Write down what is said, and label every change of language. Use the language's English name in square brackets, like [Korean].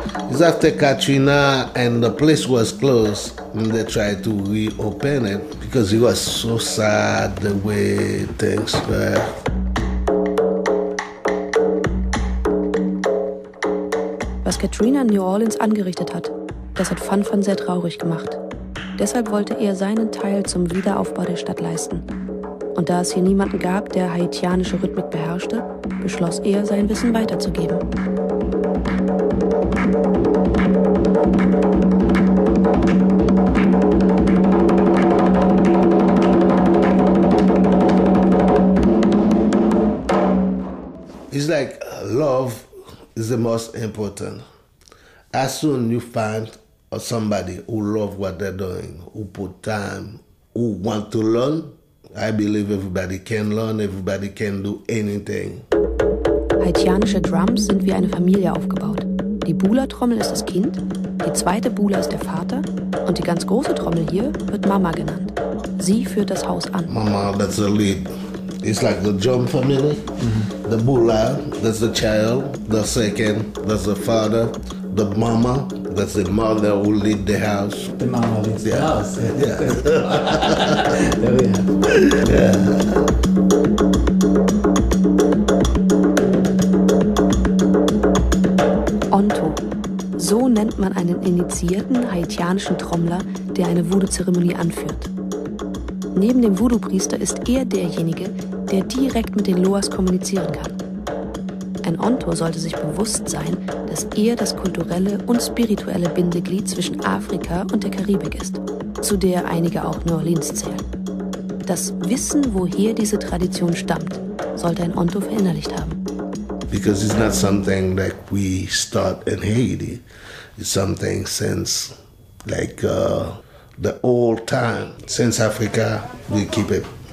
[English] It's after Katrina and the place was closed. And they tried to reopen it because it was so sad the way things were. [German] Was Katrina in New Orleans angerichtet hat, das hat Fanfan sehr traurig gemacht. Deshalb wollte er seinen Teil zum Wiederaufbau der Stadt leisten. Und da es hier niemanden gab, der haitianische Rhythmik beherrschte, beschloss er, sein Wissen weiterzugeben. [English] It's like love is the most important. As soon you find somebody who loves what they're doing, who put time, who want to learn, I believe everybody can learn, everybody can do anything. [German] Haitianische Drums sind wie eine Familie aufgebaut. Die Bula-Trommel ist das Kind, die zweite Bula ist der Vater und die ganz große Trommel hier wird Mama genannt. Sie führt das Haus an. [English] Mama, that's the lead. It's like the drum family. The Bula, that's the child. The second, that's the father. The mama, that's the mother who lead the house. The mama leads the house. Yeah. There we are. Yeah. Onto. [German] So nennt man einen initiierten haitianischen Trommler, der eine Voodoo-Zeremonie anführt. Neben dem Voodoo-Priester ist er derjenige, der direkt mit den Loas kommunizieren kann. Ein Onto sollte sich bewusst sein, dass er das kulturelle und spirituelle Bindeglied zwischen Afrika und der Karibik ist, zu der einige auch New Orleans zählen. Das Wissen, woher diese Tradition stammt, sollte ein Onto verinnerlicht haben. [English] Because it's not something like we start in Haiti. It's something since like the old time, since Africa, we keep it.